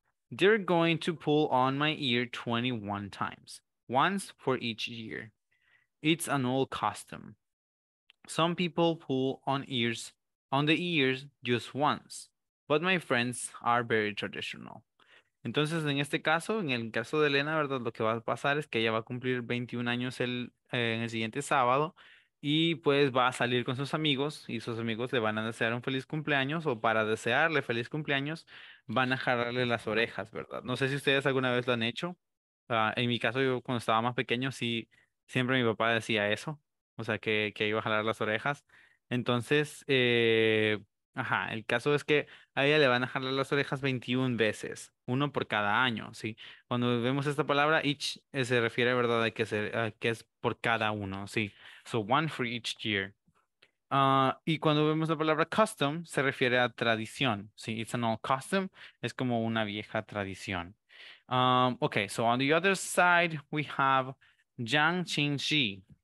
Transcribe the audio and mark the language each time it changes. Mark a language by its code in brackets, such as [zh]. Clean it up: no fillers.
[en] They're going to pull on my ear 21 times, once for each year. It's an old custom. Some people pull on the ears just once, but my friends are very traditional. [es] Entonces, en este caso, en el caso de Elena, ¿verdad? Lo que va a pasar es que ella va a cumplir 21 años en el siguiente sábado y pues va a salir con sus amigos y sus amigos le van a desear un feliz cumpleaños o para desearle feliz cumpleaños van a jalarle las orejas, ¿verdad? No sé si ustedes alguna vez lo han hecho. En mi caso, yo cuando estaba más pequeño, sí, siempre mi papá decía eso, o sea, que iba a jalar las orejas. Entonces, el caso es que a ella le van a jalar las orejas 21 veces, uno por cada año, ¿sí? Cuando vemos esta palabra, each se refiere, ¿verdad?, a que es por cada uno, ¿sí? [en] So, one for each year. [es] Y cuando vemos la palabra custom, se refiere a tradición, ¿sí? [en] It's an old custom, [es] es como una vieja tradición. [en] Okay, so on the other side, we have Jiang Qingxi.